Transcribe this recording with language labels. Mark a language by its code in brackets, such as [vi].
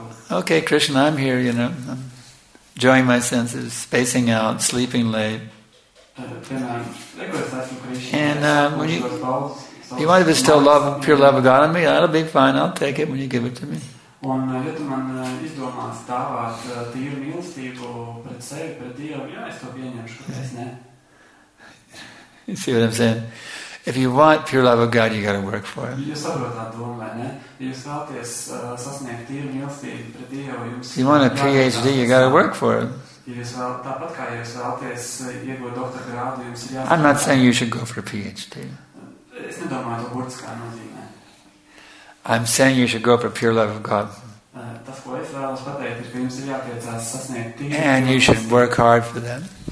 [en] Okay, Krishna, I'm here, you know, I'm enjoying my senses, spacing out, sleeping late. And when you want to bestow love, pure love of God on me, that'll be fine. I'll take it when you give it to me. [lv] Un, ja tu man izdomās dāvāt tīru mīlestību pret sevi, pret Dievu, jā, es to pieņemšu, kāpēc ne? [en] You see what I'm saying? If you want pure love of God, you gotta work for it. [lv] Jūs saprotāt domā, ne? Jūs vēlaties sasniegt tīru mīlestību pret Dievu, jums... [en] You want a PhD, you gotta work for it. [lv] Jūs vēl, tāpat kā jūs vēlaties iegūt doktora grādu, jums ir jāsaprot... [en] I'm not saying you should go for a PhD. [lv] Es nedomāju to burtiskā nozīmē. [en] I'm saying you should go for pure love of God. And you should work hard for that.